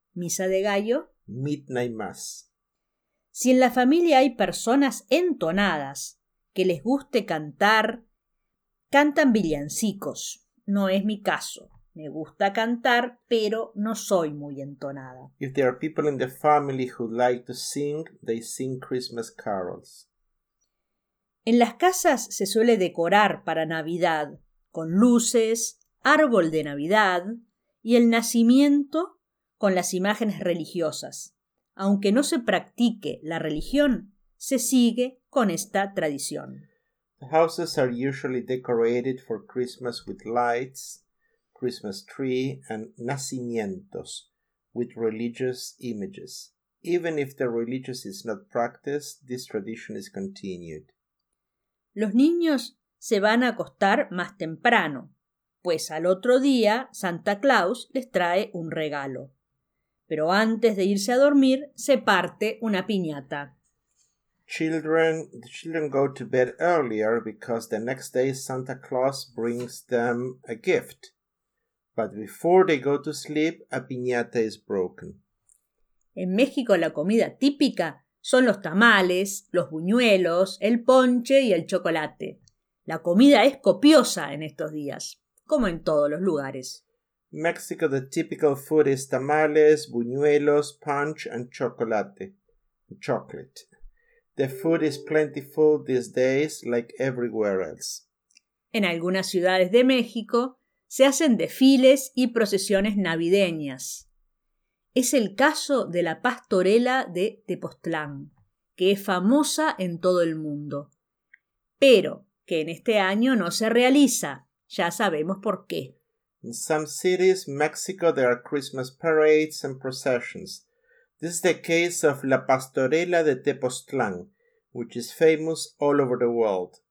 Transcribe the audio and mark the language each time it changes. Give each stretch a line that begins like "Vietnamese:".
Spanish: Misa de gallo,
English: midnight mass.
Spanish: Si en la familia hay personas entonadas que les guste cantar, cantan villancicos. No es mi caso. Me gusta cantar, pero no soy muy entonada.
English: If there are people in the family who like to sing, they sing Christmas carols.
Spanish: En las casas se suele decorar para Navidad con luces, árbol de Navidad y el nacimiento con las imágenes religiosas. Aunque no se practique la religión, se sigue con esta tradición.
English: Houses are usually decorated for Christmas with lights, Christmas tree, and nacimientos, with religious images. Even if the religious is not practiced, this tradition is continued.
Spanish: Los niños se van a acostar más temprano, pues al otro día Santa Claus les trae un regalo. Pero antes de irse a dormir, se parte una piñata.
English: The children go to bed earlier because the next day Santa Claus brings them a gift. But before they go to sleep, a piñata is broken.
Spanish: En México la comida típica son los tamales, los buñuelos, el ponche y el chocolate. La comida es copiosa en estos días, como en todos los lugares.
English: Mexico, the typical food is tamales, buñuelos, punch and chocolate. The food is plentiful these days, like everywhere else.
Spanish: En algunas ciudades de México se hacen desfiles y procesiones navideñas. Es el caso de la pastorela de Tepoztlán, que es famosa en todo el mundo, pero que en este año no se realiza. Ya sabemos por qué.
English: In some cities, Mexico, there are Christmas parades and processions. This is the case of La Pastorela de Tepoztlán, which is famous all over the world.